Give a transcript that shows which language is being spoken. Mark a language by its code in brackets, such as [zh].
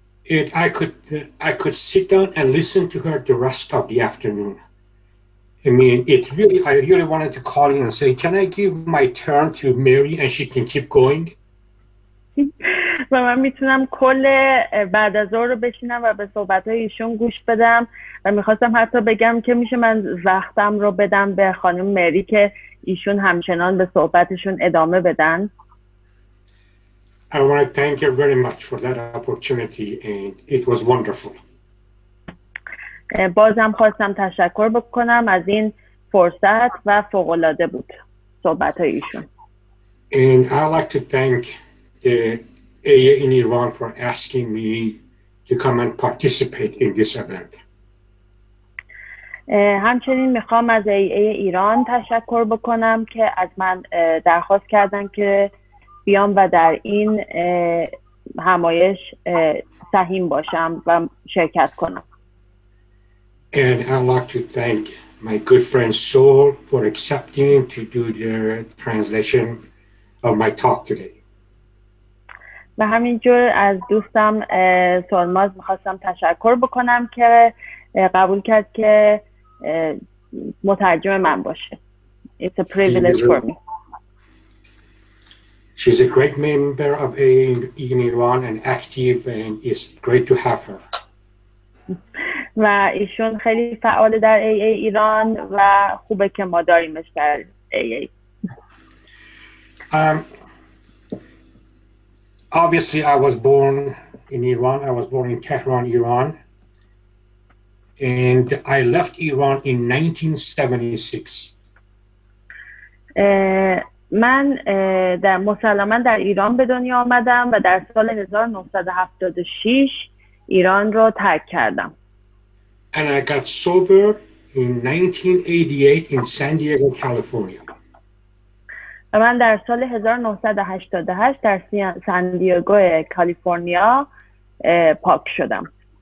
[en] I could sit down and listen to her the rest of the afternoon. I mean, it really, I really wanted to call in and say, can I give my turn to Mary and she can keep going? [fa] و من میتونم کل بعد از ظهر رو بشینم و به صحبت‌های ایشون گوش بدم و میخواستم حتی بگم که میشه من وقتم رو بدم به خانم مری که ایشون همچنان به صحبتشون ادامه بدن. [en] I want to thank you very much for that opportunity and it was wonderful. [fa] بازم خواستم تشکر بکنم از این فرصت و فوق‌العاده بود صحبت‌های ایشون. [en] And I'd like to thank the AA in Iran for asking me to come and participate in this event. [fa] همچنین میخوام از AA ایران تشکر بکنم که از من درخواست کردن که بیام و در این همایش سهیم باشم و شرکت کنم. [en] And I'd like to thank my good friend Saul for accepting to do the translation of my talk today. [fa] و همینجور از دوستم سلماز میخواستم تشکر بکنم که قبول کرد که مترجم من باشه. [en] It's a privilege for me. She's a great member of AA in Iran and active, and it's great to have her. [fa] و ایشون خیلی فعال در AA ایران و خوبه که ما داریمش در AA. [en] Obviously, I was born in Iran. I was born in Tehran, Iran. And I left Iran in 1976. [fa] من در مسلماً در ایران به دنیا آمدم و در سال 1976 ایران رو ترک کردم. [en] And I got sober in 1988 in San Diego, California. [fa] من در سال 1988 در سندیگو کالیفرنیا پاک شدم.